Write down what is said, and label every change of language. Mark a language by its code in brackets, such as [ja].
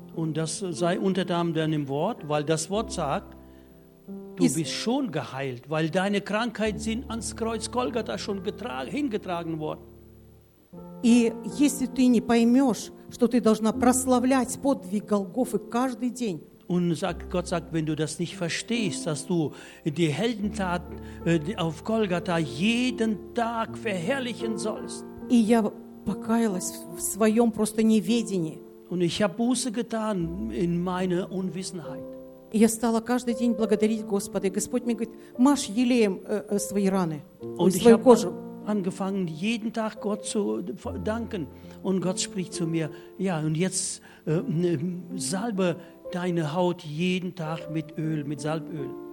[de] Und das sei unter deinem Wort, weil das Wort sagt, du bist schon geheilt, weil deine Krankheiten sind ans Kreuz Golgatha schon hingetragen worden. [ru] И если ты не поймешь, что ты должна прославлять подвиг Голгофы каждый день, [de] Und sagt, Gott sagt, wenn du das nicht verstehst, dass du die Heldentat auf Golgatha jeden Tag verherrlichen sollst. [ru] И я покаялась в своем просто неведении. [de] Und ich habe Buße getan in meiner Unwissenheit. [ru] И я стала каждый день благодарить Господа. И Господь мне говорит: мажь елеем свои раны, [de] Und [ru] свою кожу. [de] Angefangen, jeden Tag Gott zu danken. Und Gott spricht zu mir, ja, und jetzt salbe deine Haut jeden Tag mit Öl, mit Salböl.